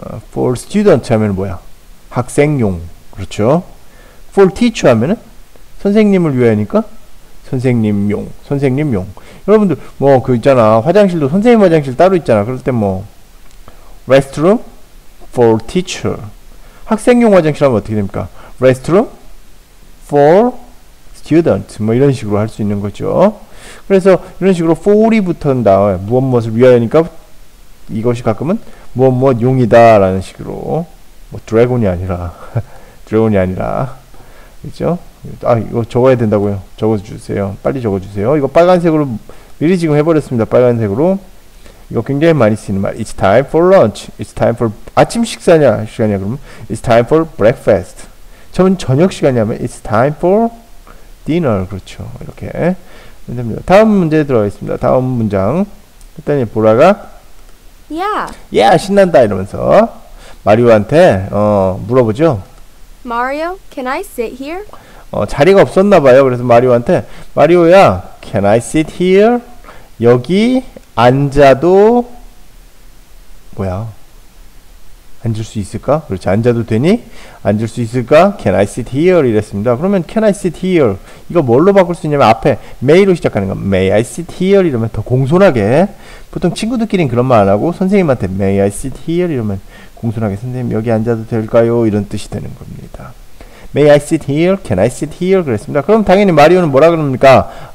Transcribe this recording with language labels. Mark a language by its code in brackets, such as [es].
[en] For student [ko] 하면 뭐야? 학생용. 그렇죠? [en] For teacher [ko] 하면은 선생님을 위하니까 선생님용. 선생님용. 여러분들 뭐그 있잖아. 화장실도 선생님 화장실 따로 있잖아. 그럴 때뭐 [en] restroom for teacher. [ko] 학생용 화장실 하면 어떻게 됩니까? [en] restroom for student [ko] 뭐 이런 식으로 할수 있는 거죠. 그래서 이런 식으로 for이 붙은 다음에 무엇을 위하니까 이것이 가끔은 용이다라는 식으로 뭐 드래곤이 아니라 드래곤이 아니라 그렇죠? 아 이거 적어야 된다고요. 적어주세요. 빨리 적어주세요. 이거 빨간색으로 미리 지금 해버렸습니다. 빨간색으로 이거 굉장히 많이 쓰는 말. [en] It's time for lunch. It's time for [ko] 아침 식사냐 시간이야 그러면 [en] It's time for breakfast. [ko] 저녁 시간이냐면 [en] It's time for dinner. [ko] 그렇죠? 이렇게 됩니다. 다음 문제 들어가겠습니다. 다음 문장 일단 보라가 [en] Yeah. [ko] 예, 신난다 이러면서 마리오한테 물어보죠. [en] Mario, can I sit here? [ko] 자리가 없었나 봐요. 그래서 마리오한테 마리오야, [en] can I sit here? [ko] 여기 앉아도 뭐야? 앉을 수 있을까? 그렇지, 앉아도 되니? 앉을 수 있을까? [en] Can I sit here? [ko] 이랬습니다. [en] 그러면 Can I sit here? [ko] 이거 뭘로 바꿀 수 있냐면 앞에 May로 시작하는 거. [en] May I sit here? [ko] 이러면 더 공손하게. 보통 친구들끼리는 그런 말안 하고 선생님한테 [en] May I sit here? [ko] 이러면 공손하게 선생님 여기 앉아도 될까요? 이런 뜻이 되는 겁니다. [en] May I sit here? Can I sit here? [ko] 그랬습니다. 그럼 당연히 마리오는 뭐라 그럽니까?